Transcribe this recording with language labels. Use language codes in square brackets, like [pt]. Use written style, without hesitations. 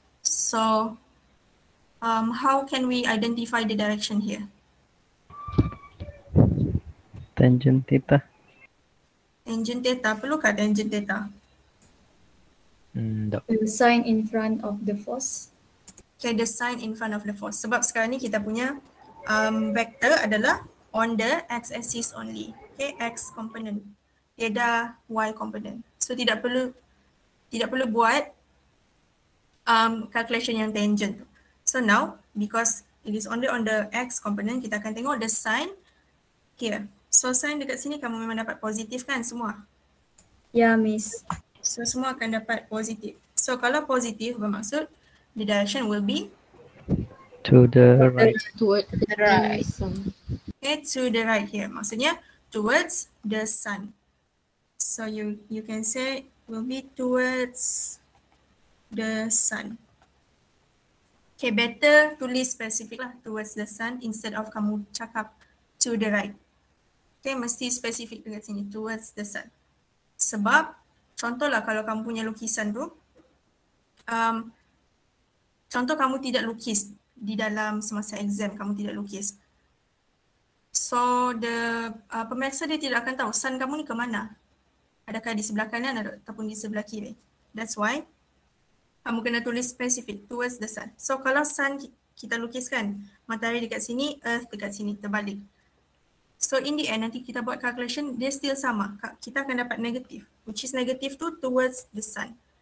[en] So how can we identify the direction here? Tangent theta. [ms] Tangent theta, perlukah tangent theta? [en] The sign in front of the force. Okay, the sign in front of the force. [ms] Sebab sekarang ni kita punya vector adalah [en] on the x-axis only. Okay, x component. Tiada y component. [ms] So tidak perlu buat calculation yang tangent tu. [en] So now, because it is only on the x component, [ms] kita akan tengok [en] the sign here. [ms] So sign dekat sini kamu memang dapat positif kan semua? [en] Yeah, miss. [ms] So semua akan dapat positif. [en] So [ms] kalau positif bermaksud [en] the direction will be to the right. To the right here. Maksudnya towards the sun. So you can say will be towards the sun. Okay, better tulis specific lah towards the sun instead of [ms] kamu cakap [en] to the right. Okay, mesti specific [ms] dekat sini [en] towards the sun. [ms] Sebab contohlah kalau kamu punya lukisan tu, contoh kamu tidak lukis di dalam semasa exam, kamu tidak lukis. So the pemeriksa dia tidak akan tahu sun kamu ni ke mana. Adakah di sebelah kanan ataupun di sebelah kiri. [en] That's why [ms] kamu kena tulis [en] specific towards the sun. [ms] So kalau sun kita lukiskan, matahari dekat sini, earth dekat sini, terbalik. [en] So in the end [ms] nanti kita buat calculation, dia still sama. Kita akan dapat negatif, [en] which is [ms] negatif tu towards the sun.